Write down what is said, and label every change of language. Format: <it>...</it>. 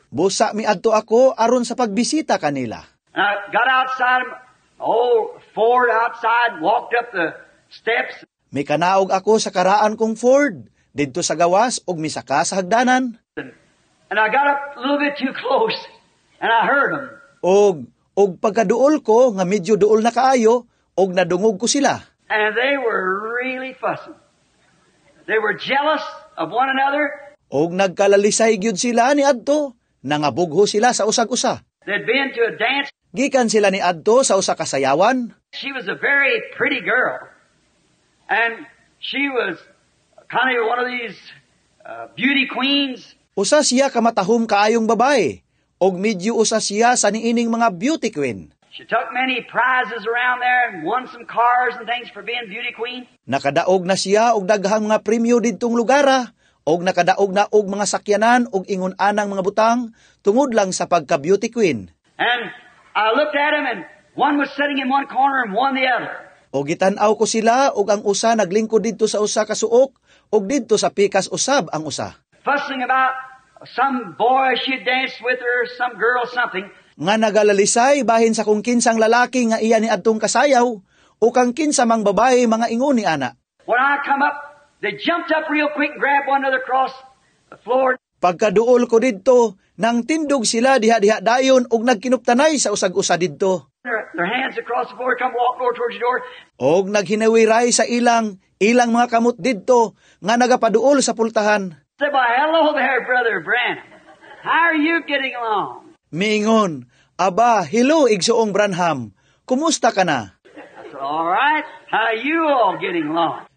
<ceb>Busa mi adto ako aron sa pagbisita kanila.</ceb> <en>And I got outside old Ford outside, walked up the steps.</en> <ceb>May kanaog ako sa karaan kong Ford, dito sa gawas, og misaka sa hagdanan.</ceb> <en>And I got up a little bit too close, and I heard them.</en> <ceb>Og pagkaduol ko, nga medyo duol na kaayo, og nadungog ko sila.</ceb> <en>And they were really fussing. They were jealous of one another.</en> <ceb>Og nagkalalisay gyud sila ni adto, nangabugho sila sa usag-usa.</ceb> <en>They'd been to a dance.</en> <ceb>Gikan sila ni adto sa usa ka sayawan.</ceb> <en>She was a very pretty girl. And she was kind of one of these beauty queens.</en> <ceb>Usa siya kamatahom kaayong babae. Og medyo usa siya sa niining mga beauty queen.</ceb> <en>She took many prizes around there and won some cars and things for being beauty queen.</en> <ceb>Nakadaog na siya og daghang mga premyo ditong lugara. Og nakadaog na og mga sakyanan og ingon-anang mga butang tungod lang sa pagka-beauty queen.</ceb> <en>And I looked at him and one was sitting in one corner and one the other.</en> <ceb>Og gitan-aw ko sila og ang usa naglingkod dito sa usa ka suok og dito sa pikas usab ang usa.</ceb> <en>Fussing about some boy she danced with or some girl something.</en> <ceb>Nga nagalalisay bahin sa kung kinsang lalaki nga iya ni adtong kasayaw o kang kinsamang babae mga ingon ni ana.</ceb> <en>When I come up, they jumped up real quick and grabbed one another across the floor.</en> <ceb>Pagkaduol ko dito, nang tindog sila diha-diha dayon og nagkinuptanay sa usag-usa didto.</ceb> <en>Their hands across the floor, come walk over towards the door.</en> <ceb>Og naghinawiray sa ilang mga kamot didto nga nagapaduol sa pultahan.</ceb> <en>Say, well, hello there, Brother Branham. How are you getting along?</en> <ceb>Mingon, aba, hello, igsoong Branham. Kumusta ka na?</ceb> <en>That's all right. How are you all getting along?</en>